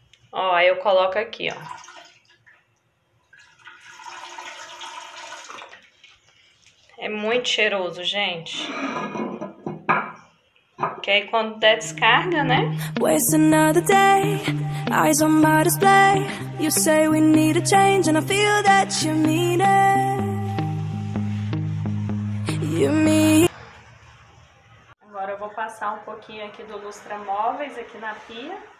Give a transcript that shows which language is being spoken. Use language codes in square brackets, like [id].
[pt] Ó, aí eu coloco aqui, ó. É muito cheiroso, gente. Porque aí quando der descarga, né? [en] Waste another day, eyes on my display. You say we need a change, and I feel that you mean it. You mean. [pt] Agora eu vou passar um pouquinho aqui do lustra móveis aqui na pia.